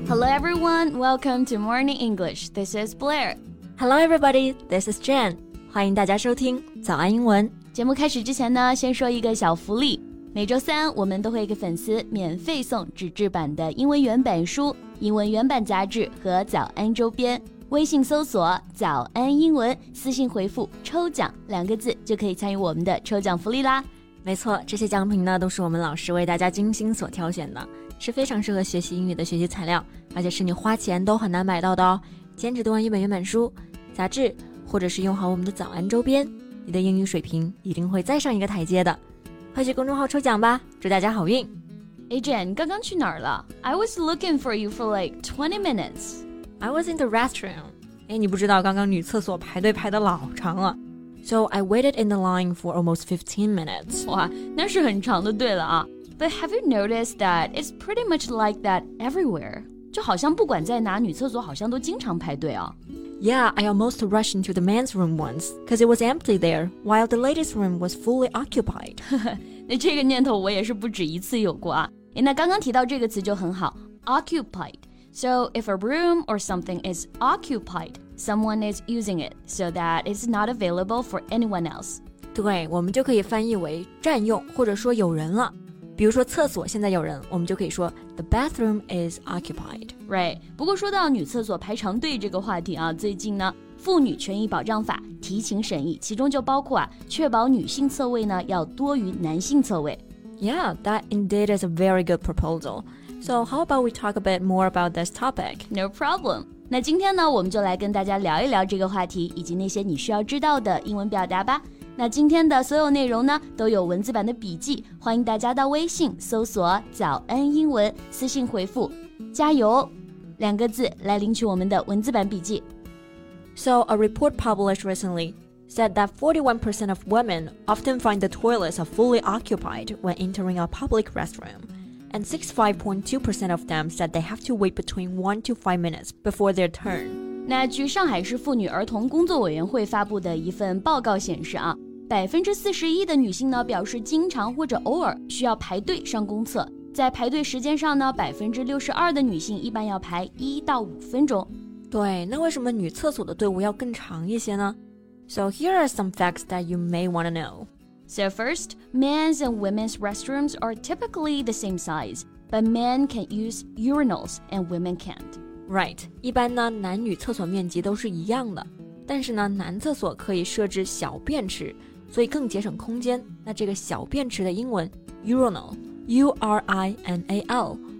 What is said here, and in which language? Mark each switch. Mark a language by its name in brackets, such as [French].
[English] everyone, welcome to Morning English. This is Blair. Hello everybody, this is Jen. [Chinese] 欢迎大家收听早安英文。节目开始之前呢，先说一个小福利。每周三我们都会给粉丝免费送纸质版的英文原版书、英文原版杂志和早安周边。微信搜索早安英文，私信回复抽奖两个字就可以参与我们的抽奖福利啦。没错，这些奖品呢都是我们老师为大家精心所挑选的，是非常适合学习英语的学习材料，而且是你花钱都很难买到的哦。兼职读完一本原版书、杂志，或者是用好我们的早安周边，你的英语水平一定会再上一个台阶的。快去公众号抽奖吧，祝大家好运。 [English] Jen, [Chinese] 刚刚去哪儿了？ [English] I was looking for you for like 20 minutes. I was in the restroom. [Chinese] 你不知道刚刚女厕所排队排得老长了。 [English] So I waited in the line for almost 15 minutes. [Chinese] 哇，那是很长的队了啊。 [English] But have you noticed that it's pretty much like that everywhere? [Chinese] 就好像不管在哪女厕所好像都经常排队啊。 [English] Yeah, I almost rushed into the men's room once, because it was empty there, while the ladies' room was fully occupied. [Chinese] 那这个念头我也是不止一次有过啊。那刚刚提到这个词就很好 ,occupied. [English] So if a room or something is occupied,Someone is using it so that it's not available for anyone else. [Chinese] 对，我们就可以翻译为占用或者说有人了。比如说厕所现在有人，我们就可以说 [English] The bathroom is occupied. Right. [Chinese] 不过说到女厕所排长队这个话题啊，最近呢，妇女权益保障法提请审议，其中就包括啊，确保女性厕位呢要多于男性厕位。 [English] Yeah, that indeed is a very good proposal. So how about we talk a bit more about this topic? No problem. [Chinese] 那今天呢，我们就来跟大家聊一聊这个话题，以及那些你需要知道的英文表达吧。那今天的所有内容呢，都有文字版的笔记，欢迎大家到微信搜索“早安英文”，私信回复“加油”两个字来领取我们的文字版笔记。 [English] So a report published recently said that 41% of women often find the toilets are fully occupied when entering a public restroom. And 65.2% of them said they have to wait between 1 to 5 minutes before their turn. [Chinese] 那据上海市妇女儿童工作委员会发布的一份报告显示啊，41%的女性呢表示经常或者偶尔需要排队上公厕。在排队时间上呢，62%的女性一般要排1到5分钟。对，那为什么女厕所的队伍要更长一些呢？ [English] So here are some facts that you may want to know. So first, men's and women's restrooms are typically the same size, but men can use urinals and women can't. Right. [Chinese] 一般呢，男女厕所面积都是一样的，但是呢，男厕所可以设置小便池，所以更节省空间。那这个小便池的英文 urinal, U-R-I-N-A-L.